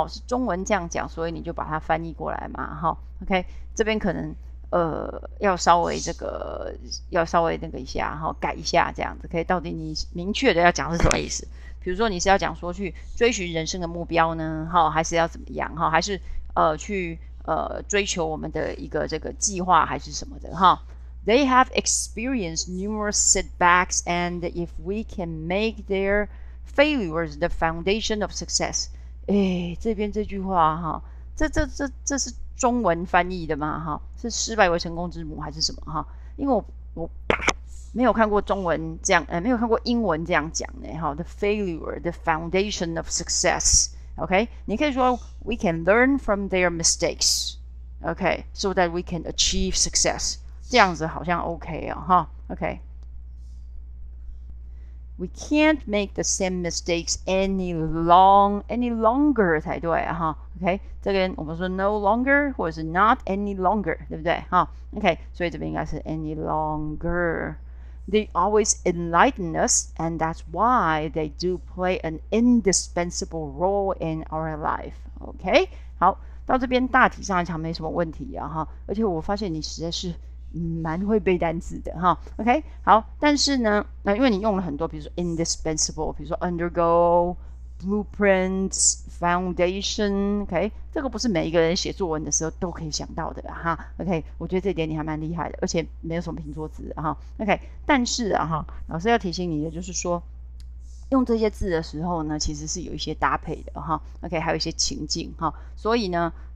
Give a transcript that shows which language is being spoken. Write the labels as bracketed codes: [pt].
[zh] 是中文这样讲，所以你就把它翻译过来嘛？OK，这边可能要稍微这个要稍微那个一下改一下这样子。 OK，到底你明确的要讲是什么意思？比如说你是要讲说去追寻人生的目标呢？还是要怎么样？还是去追求我们的一个这个计划还是什么的？ [en] They have experienced numerous setbacks, and if we can make their Failure is the foundation of success。 [zh] 这边这句话这是中文翻译的吗？是失败为成功之母还是什么？因为我没有看过中文这样，没有看过英文这样讲呢。 [en] The failure, the foundation of success。 OK， [zh] 你可以说 [en] We can learn from their mistakes。 OK，so that we can achieve success。 [zh] 这样子好像 [en] OK OK。 We can't make the same mistakes any longer [zh] 才对 [en] OK， [zh] 这边我们说 [en] no longer [zh] 或者是 [en] not any longer， [zh] 对不对？ [en] OK， [zh] 所以这边应该是 [en] any longer。 They always enlighten us, and that's why they do play an indispensable role in our life. [zh] OK，好，到这边大体上来讲没什么问题而且我发现你实在是。蛮会背单词的OK，好，但是呢，因为你用了很多，比如说 indispensable，比如说 undergo blueprints foundation，OK，这个不是每一个人写作文的时候都可以想到的OK，我觉得这点你还蛮厉害的，而且没有什么平仄字OK，但是老师要提醒你的就是说，用这些字的时候呢，其实是有一些搭配的OK，还有一些情境所以呢。